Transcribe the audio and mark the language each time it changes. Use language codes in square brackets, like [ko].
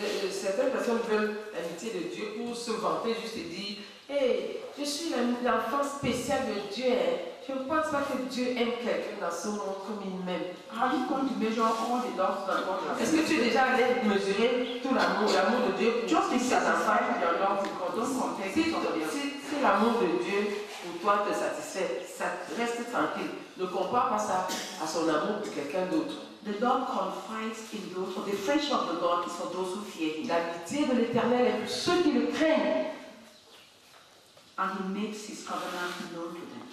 [fr] Certaines personnes veulent l'amitié de Dieu pour se vanter juste et dire, hé, je suis l'enfant spécial de Dieu. Je ne pense pas que Dieu aime quelqu'un dans ce monde comme il m'aime. [en] Are you going to measure all the love? [fr] Est-ce que tu es déjà allé mesurer tout l'amour de Dieu pour tes enfants? [en] Just because it's your love, [fr] si l'amour de Dieu pour toi te satisfait, reste tranquille. Ne compare pas ça à son amour pour quelqu'un d'autre. [en] The Lord confides in those, for the friendship of the Lord is for those who fear him. [fr] L'amitié de l'Éternel est pour ceux qui le craignent. [en] And he makes his covenant known to them.